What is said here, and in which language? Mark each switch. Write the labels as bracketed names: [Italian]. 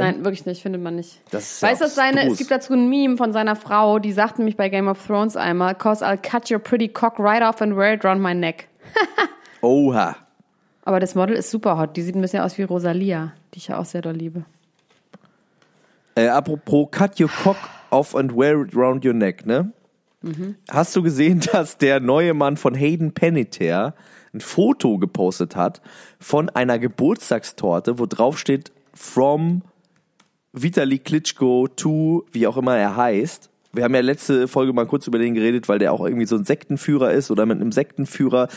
[German] Nein, wirklich nicht, findet man nicht. Das ist es gibt dazu ein Meme von seiner Frau, die sagt nämlich bei Game of Thrones einmal, [English] 'cause I'll cut your pretty cock right off and wear it round my neck. [German] Oha. Aber das Model ist super hot, die sieht ein bisschen aus wie Rosalia, die ich ja auch sehr doll liebe. [English] Apropos cut your cock off and wear it round your neck, ne? [German] Hast du gesehen, dass der neue Mann von Hayden Panettiere ein Foto gepostet hat von einer Geburtstagstorte, wo drauf steht from Vitali Klitschko to wie auch immer er heißt. Wir haben ja letzte Folge mal kurz über den geredet, weil der auch irgendwie so ein Sektenführer ist oder mit einem Sektenführer.